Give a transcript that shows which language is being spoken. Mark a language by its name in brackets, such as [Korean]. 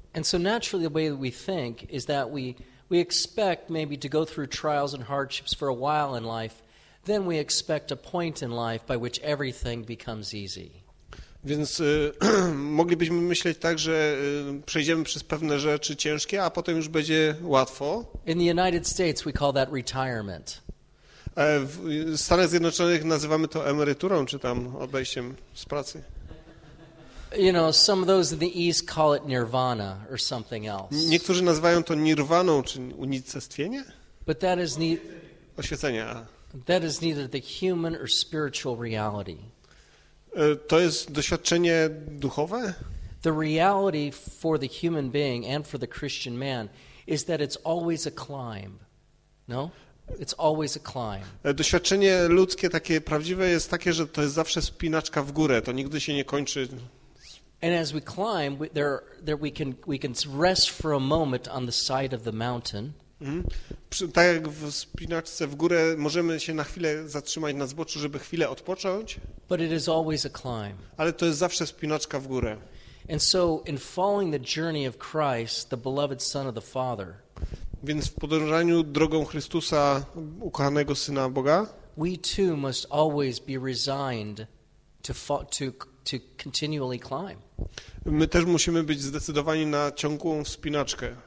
[English] And so naturally the way that we think is that we expect maybe to go through trials and hardships for a while in life, then we expect a point in life by which everything becomes easy. [Polish] Więc moglibyśmy myśleć tak, że przejdziemy przez pewne rzeczy ciężkie, a potem już będzie łatwo. [English] In the United States we call that retirement. [Polish] W Stanach Zjednoczonych nazywamy to emeryturą, czy tam odejściem z pracy. [English] You know, some of those in the East call it nirvana or something else. [Polish] Niektórzy nazywają to nirwaną, czy unicestwienie? [English] But that is [Polish] oświecenie. [English] That is neither the human or spiritual reality. [Polish] To jest doświadczenie duchowe? [English] The reality for the human being and for the Christian man is that it's always a climb. No? It's always a climb. [Polish] Doświadczenie ludzkie takie prawdziwe jest takie, że to jest zawsze spinaczka w górę, to nigdy się nie kończy. [English] And as we climb, we can rest for a moment on the side of the mountain. [Polish] Tak jak w spinaczce w górę możemy się na chwilę zatrzymać na zboczu, żeby chwilę odpocząć. [English] But it is always a climb. [Polish] Ale to jest zawsze spinaczka w górę. [English] And so in following the journey of Christ, the beloved son of the Father. [Polish] Więc w podążaniu drogą Chrystusa, ukochanego syna Boga, [English] we too must always be resigned to continually climb. [Polish] My też musimy być zdecydowani na ciągłą wspinaczkę.